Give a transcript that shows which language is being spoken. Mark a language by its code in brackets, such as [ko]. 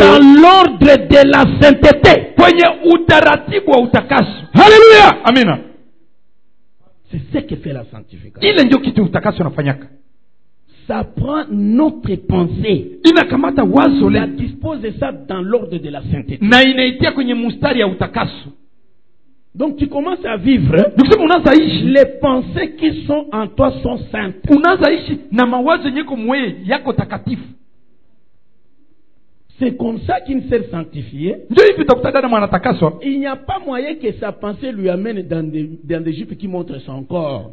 [fr] Dans l'ordre de la sainteté. [sw] Kwenye utaratibu wa utakaso. Alléluia. Amina. [fr] C'est ce que fait la sanctification. [sw] Ile ndio kitu utakaso nafanyaka. [fr] Ça prend notre pensée. Il a [sw] kamata wazo [fr] la dispose ça dans l'ordre de la sainteté. [sw] Na inaitia kwenye mustari ya utakaso. [fr] Donc tu commences à vivre. Les pensées qui sont en toi sont saintes. [sw] Unazaishi na mawazo yenyewe kumwe yako takatifu. [fr] C'est comme ça qu'il s'est sanctifié. Il n'y a pas moyen que sa pensée lui amène dans des jupes qui montrent son corps.